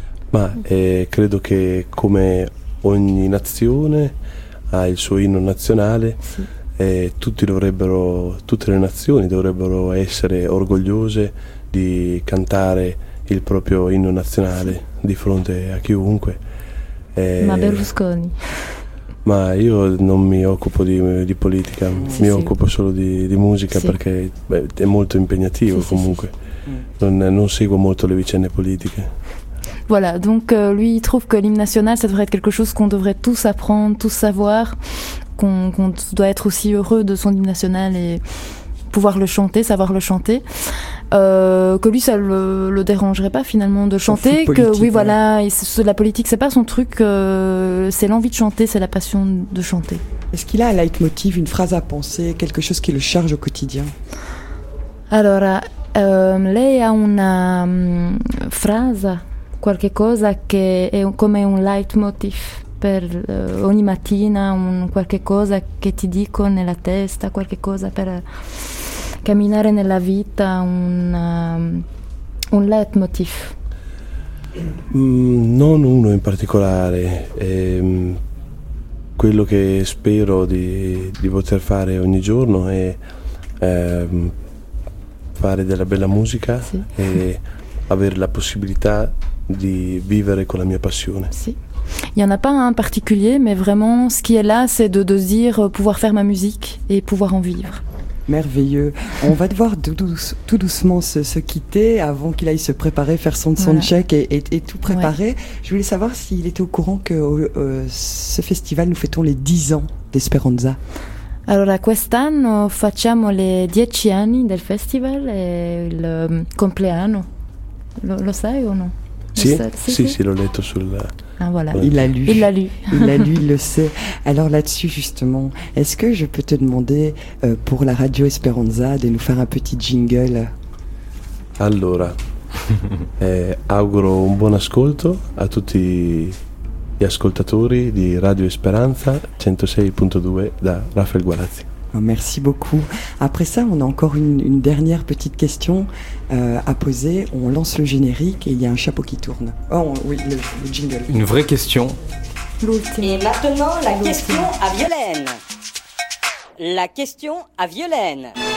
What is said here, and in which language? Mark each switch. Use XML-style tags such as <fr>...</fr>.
<it>Ma credo che come ogni nazione ha il suo inno nazionale e tutte le nazioni dovrebbero essere orgogliose di cantare il proprio inno nazionale di fronte a chiunque. Ma Berlusconi. Ma io non mi occupo di politica, occupo solo di musica perché è molto impegnativo comunque. Sì. Non seguo molto le vicende politiche.</it> <fr>Voilà, donc lui il trouve que l'hymne national ça devrait être quelque chose qu'on devrait tous apprendre, tous savoir, qu'on doit être aussi heureux de son hymne national et pouvoir le chanter, savoir le chanter. Que lui ça le dérangerait pas finalement de chanter, que oui voilà, la politique c'est pas son truc, c'est l'envie de chanter, c'est la passion de chanter. Est-ce qu'il a un leitmotiv, une phrase à penser, quelque chose qui le charge au quotidien?</fr> <it>Alors, lei ha una frase, qualche cosa che è come un leitmotiv per ogni mattina, qualche cosa che ti dico nella testa, qualche cosa per camminare nella vita, un leitmotiv? Non uno in particolare, quello che spero di poter fare ogni giorno è fare della bella musica e avere la possibilità</it> <fr>de vivre avec</fr> <it>la mia passion. Si.</it> <fr>Il n'y en a pas un particulier, mais vraiment, ce qui est là, c'est de dire pouvoir faire ma musique et pouvoir en vivre. Merveilleux. On va devoir tout doucement se quitter avant qu'il aille se préparer, faire son soundcheck et tout préparer. Ouais. Je voulais savoir s'il était au courant que ce festival, nous fêtons les 10 ans d'Esperanza.</fr> <it>Allora, quest'anno facciamo le 10 anni del festival e il compleanno. Lo sai o no? Sì, l'ho letto sul...</it> <fr>Ah, voilà. Il l'a lu, il le sait. Alors là-dessus, justement, est-ce que je peux te demander pour la radio Esperanza de nous faire un petit jingle?</fr> <it>Allora, auguro un buon ascolto a tutti gli ascoltatori di Radio Esperanza 106.2 da Raphaël Gualazzi.</it> <fr>Merci beaucoup. Après ça, on a encore une dernière petite question à poser. On lance le générique et il y a un chapeau qui tourne. Le jingle. Une vraie question. L'outil. Et maintenant, la question à Violaine. La question à Violaine.</fr>